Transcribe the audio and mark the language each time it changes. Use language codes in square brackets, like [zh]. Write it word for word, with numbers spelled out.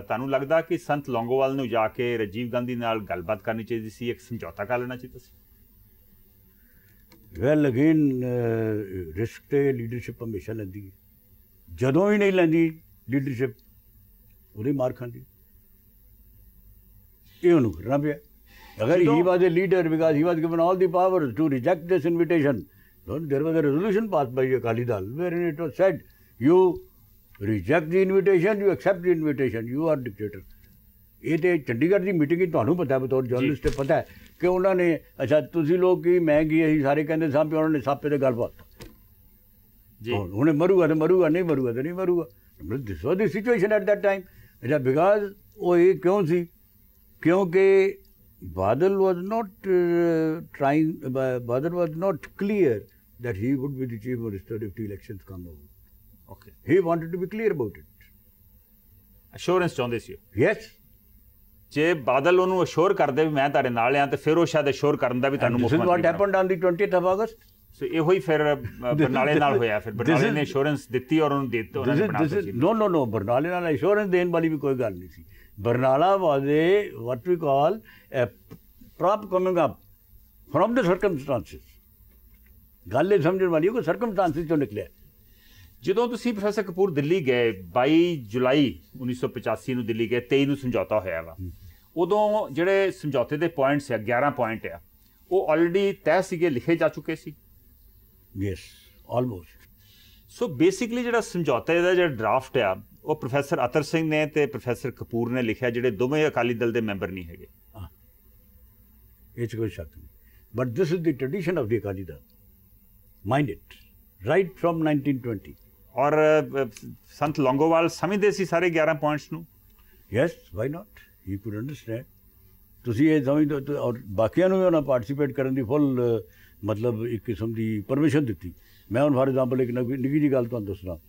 [pa] ਤੁਹਾਨੂੰ ਲੱਗਦਾ ਕਿ ਸੰਤ ਲੌਂਗੋਵਾਲ ਨੂੰ ਜਾ ਕੇ ਰਾਜੀਵ ਗਾਂਧੀ ਨਾਲ ਗੱਲਬਾਤ ਕਰਨੀ ਚਾਹੀਦੀ ਸੀ, ਇੱਕ ਸਮਝੌਤਾ ਕਰ ਲੈਣਾ ਚਾਹੀਦਾ ਸੀ? ਵੈਲ ਅਗੇਨ ਰਿਸਕ ਤੇ ਲੀਡਰਸ਼ਿਪ ਹਮੇਸ਼ਾ ਲੈਂਦੀ ਹੈ, ਜਦੋਂ ਵੀ ਨਹੀਂ ਲੈਂਦੀ ਲੀਡਰਸ਼ਿਪ ਉਹਦੀ ਮਾਰ ਖਾਂਦੀ, ਇਹ ਉਹਨੂੰ ਕਰਨਾ ਪਿਆ। [en] Agar he was a leader because he was given all the powers to reject this invitation. Then there was a resolution passed by Akali Dal wherein it was said, you reject the invitation, you accept the invitation, you are dictator. [pa] ਇਹ ਤਾਂ ਚੰਡੀਗੜ੍ਹ ਦੀ meeting ਹੀ ਤੁਹਾਨੂੰ ਪਤਾ, ਬਤੌਰ journalist ਪਤਾ ਹੈ ਕਿ ਉਹਨਾਂ ਨੇ ਅੱਛਾ ਤੁਸੀਂ ਲੋਕ ਕੀ ਮੈਂ ਕੀ ਅਸੀਂ ਸਾਰੇ ਕਹਿੰਦੇ ਸਾਂ ਵੀ ਉਹਨਾਂ ਨੇ ਸਾਪੇ 'ਤੇ ਗੱਲ ਪਾਤਾ, ਜੀ ਉਹਨੇ ਮਰੂਗਾ ਤਾਂ ਮਰੂਗਾ, ਨਹੀਂ ਮਰੂਗਾ ਤਾਂ ਨਹੀਂ ਮਰੂਗਾ। [en] This was the situation at that time. [pa] ਅੱਛਾ ਬਿਕਾਜ਼ ਉਹ ਇਹ ਕਿਉਂ ਸੀ, ਕਿਉਂਕਿ [en] Badal was not uh, trying, uh, Badal was not clear that he would be the chief minister if the elections come over. Okay. He wanted to be clear about it. [pa] Assurance ਚਾਹੁੰਦੇ ਸੀ ਉਹ। [en] Yes. [pa] ਜੇ ਬਾਦਲ ਉਹਨੂੰ assure ਕਰਦੇ ਵੀ ਮੈਂ ਤੁਹਾਡੇ ਨਾਲ ਆ ਤਾਂ ਫਿਰ ਉਹ ਸ਼ਾਇਦ ਅਸ਼ੋਰ ਕਰਨ ਦਾ ਵੀ ਤੁਹਾਨੂੰ [en] This is what happened on the twentieth of August. [pa] ਸੋ ਇਹੋ ਹੀ ਫਿਰ ਅ, ਬਰਨਾਲੇ ਨਾਲ ਹੋਇਆ, ਫਿਰ ਬਰਨਾਲੇ ਨੇ ਅਸ਼ੋਰੈਂਸ ਦਿੱਤੀ ਔਰ ਉਹਨੂੰ ਦੇ ਦਿੱਤੀ, ਉਹਨਾਂ [en] This [pa] ਨੇ [en] is, [pa] ਬਣਾ [en] this is, [pa] ਦਿੱਤੀ। [en] no, no, no, [pa] Barnala ਨਾਲ assurance ਦੇਣ ਵਾਲੀ ਵੀ ਕੋਈ ਗੱਲ ਨਹੀਂ ਸੀ। [en] Barnala was a, what we call, a prop coming up from the circumstances. [pa] ਗੱਲ ਇਹ ਸਮਝਣ ਵਾਲੀ ਹੈ ਕਿ circumstances ਚੋਂ ਨਿਕਲਿਆ। ਜਦੋਂ ਤੁਸੀਂ ਪ੍ਰੋਫੈਸਰ ਕਪੂਰ ਦਿੱਲੀ ਗਏ ਬਾਈ ਜੁਲਾਈ ਉੱਨੀ ਸੌ ਪਚਾਸੀ ਨੂੰ ਦਿੱਲੀ ਗਏ, ਤੇਈ ਨੂੰ ਸਮਝੌਤਾ ਹੋਇਆ ਵਾ, ਉਦੋਂ ਜਿਹੜੇ ਸਮਝੌਤੇ ਦੇ ਪੁਆਇੰਟਸ ਆ ਗਿਆਰਾਂ ਪੁਆਇੰਟ ਆ ਉਹ ਆਲਰੇਡੀ ਤੈਅ ਸੀਗੇ, ਲਿਖੇ ਜਾ ਚੁੱਕੇ ਸੀ। [en] Yes, almost. [pa] ਸੋ ਬੇਸਿਕਲੀ ਜਿਹੜਾ ਸਮਝੌਤੇ ਦਾ ਜਿਹੜਾ ਡਰਾਫਟ ਆ ਉਹ ਪ੍ਰੋਫੈਸਰ ਅਤਰ ਸਿੰਘ ਨੇ ਤੇ ਪ੍ਰੋਫੈਸਰ ਕਪੂਰ ਨੇ ਲਿਖਿਆ, ਜਿਹੜੇ ਦੋਵੇਂ ਅਕਾਲੀ ਦਲ ਦੇ ਮੈਂਬਰ ਨਹੀਂ ਹੈਗੇ। ਇਹ 'ਚ ਕੋਈ ਸ਼ੱਕ ਨਹੀਂ। [en] But this is the tradition of the Akali Dal. Mind it. Right from nineteen twenty. [pa] ਔਰ ਅ, ਸੰਤ ਲੌਂਗੋਵਾਲ ਸਮਝਦੇ ਸੀ ਸਾਰੇ ਗਿਆਰਾਂ ਪੁਆਇੰਟਸ ਨੂੰ। [en] Yes, why not? He could understand. [pa] ਤੁਸੀਂ ਇਹ ਸਮਝਦੇ ਹੋ, ਔਰ ਬਾਕੀਆਂ ਨੂੰ ਵੀ ਉਹਨਾਂ ਪਾਰਟਿਸਿਪੇਟ ਕਰਨ ਦੀ ਫੁੱਲ ਮਤਲਬ ਇੱਕ ਕਿਸਮ ਦੀ ਪਰਮਿਸ਼ਨ ਦਿੱਤੀ। ਮੈਂ ਹੁਣ [en] for example [pa] ਇੱਕ ਨਿੱਕੀ ਨਿੱਕੀ ਜਿਹੀ ਗੱਲ ਤੁਹਾਨੂੰ ਦੱਸਣਾ,